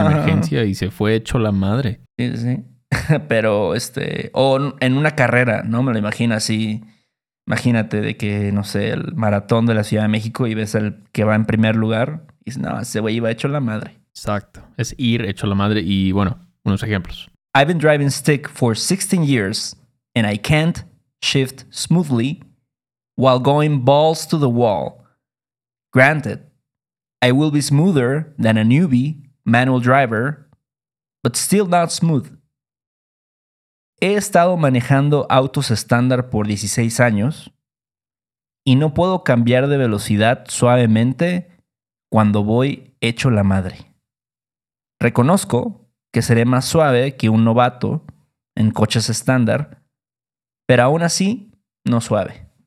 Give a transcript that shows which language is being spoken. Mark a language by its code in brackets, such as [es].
[es] en emergencia, ajá, y se fue hecho la madre. Sí, sí. Pero, o en una carrera, ¿no? Me lo imagino así. Imagínate de que, no sé, el maratón de la Ciudad de México y ves al que va en primer lugar. Y dices, no, ese güey iba hecho la madre. Exacto. Es ir hecho la madre. Y, bueno, unos ejemplos. [en] I've been driving stick for 16 years and I can't shift smoothly while going balls to the wall. Granted, I will be smoother than a newbie manual driver, but still not smooth. [es] He estado manejando autos estándar por 16 años y no puedo cambiar de velocidad suavemente cuando voy hecho la madre. Reconozco que seré más suave que un novato en coches estándar, pero aún así, no suave.